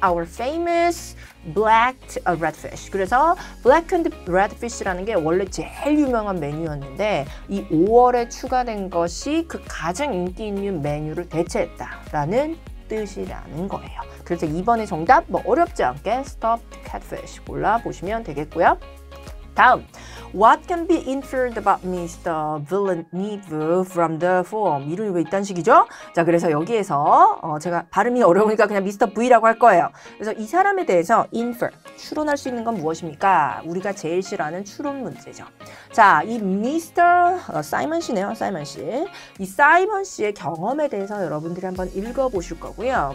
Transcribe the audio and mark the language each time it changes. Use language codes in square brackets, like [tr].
[en] Our famous blacked redfish. [ko] 그래서 blackened redfish라는 게 원래 제일 유명한 메뉴였는데 이 5월에 추가된 것이 그 가장 인기 있는 메뉴를 대체했다라는 뜻이라는 거예요. 그래서 이번에 정답 뭐 어렵지 않게 stuffed catfish 골라보시면 되겠고요. [en] 다음, what can be inferred about Mr. Villeneuve from the form? [ko] 이름이 왜 이딴 식이죠? 자, 그래서 여기에서 제가 발음이 어려우니까 그냥 Mr. V라고 할 거예요. 그래서 이 사람에 대해서 infer, 추론할 수 있는 건 무엇입니까? 우리가 제일 싫어하는 추론 문제죠. 자, 이 Mr. Simon 씨네요, Simon 씨. 이 Simon 씨의 경험에 대해서 여러분들이 한번 읽어보실 거고요.